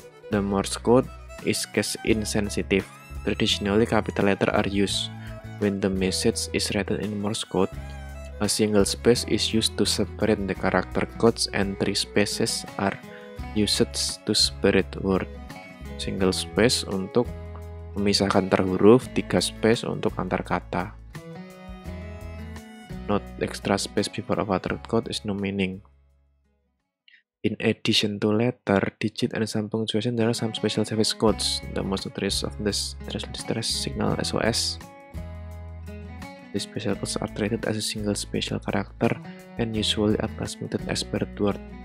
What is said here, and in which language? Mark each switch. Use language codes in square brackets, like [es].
[en] The Morse code is case insensitive. Traditionally, capital letter are used. When the message is written in Morse code, a single space is used to separate the character codes and three spaces are used to separate word. [id] Single space untuk memisahkan antar huruf, tiga space untuk antar kata. [en] Not extra space before a letter code is no meaning. In addition to letter, digit, and some punctuation, there are some special service codes. The most notorious of this distress signal SOS. These special codes are treated as a single special character and usually are transmitted as per word.